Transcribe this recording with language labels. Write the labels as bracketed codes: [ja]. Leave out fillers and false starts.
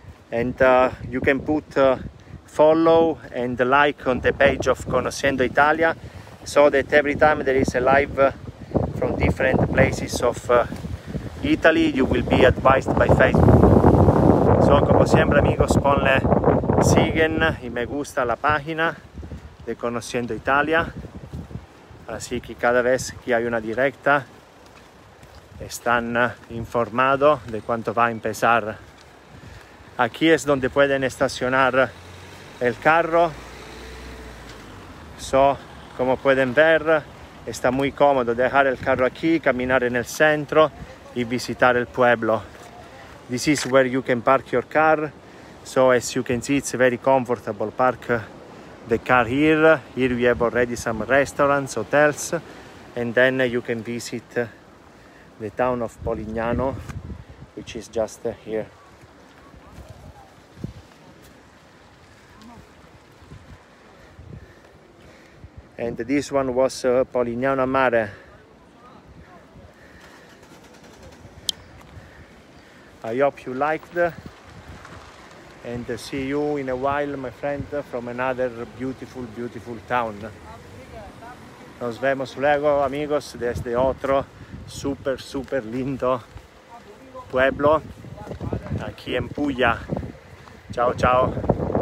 [en] And you can put follow and like on the page of Conoscendo Italia, so that every time there is a live from different places of Italy, you will be advised by Facebook. [es] So, como siempre, amigos, ponle siguen y me gusta la página de Conoscendo Italia, así que cada vez que hay una directa están informados de cuánto va a empezar. Aquí es donde pueden estacionar el carro. So, como pueden ver, está muy cómodo dejar el carro aquí, caminar en el centro y visitar el pueblo. [en] This is where you can park your car. So, as you can see, it's very comfortable park the car here. Here we have already some restaurants, hotels, and then you can visit the town of Polignano, which is just here. And this one was Polignano a Mare. I hope you liked, and see you in a while, my friend, from another beautiful, beautiful town. [es] Nos vemos luego, amigos, desde otro super, super lindo pueblo, aquí en Puglia. [it] Ciao, ciao.